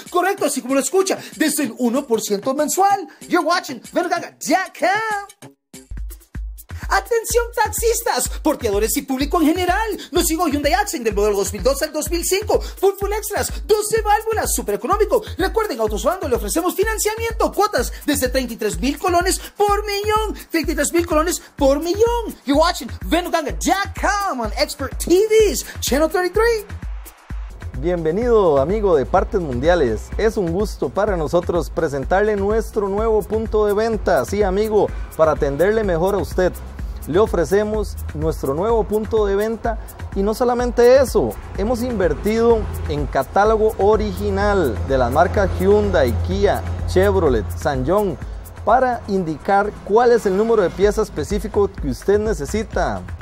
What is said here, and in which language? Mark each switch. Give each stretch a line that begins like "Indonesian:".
Spanish: Correcto, así como lo escucha, desde el 1% mensual.
English: You're watching Venoganga.com.
Spanish: Atención. ¡Atención taxistas, porteadores y público en general! Nos llegó Hyundai Accent del modelo 2002 al 2005, full full extras, 12 válvulas, super económico. Recuerden, Autosobando le ofrecemos financiamiento, cuotas desde 33,000 colones por millón. 33,000 colones por millón.
English: You're watching Venuganga.com on Expert TVs, Channel 33.
Spanish: Bienvenido, amigo de Partes Mundiales. Es un gusto para nosotros presentarle nuestro nuevo punto de venta. Sí, amigo, para atenderle mejor a usted. Le ofrecemos nuestro nuevo punto de venta y no solamente eso, hemos invertido en catálogo original de las marcas Hyundai, Kia, Chevrolet, SsangYong para indicar cuál es el número de pieza específico que usted necesita.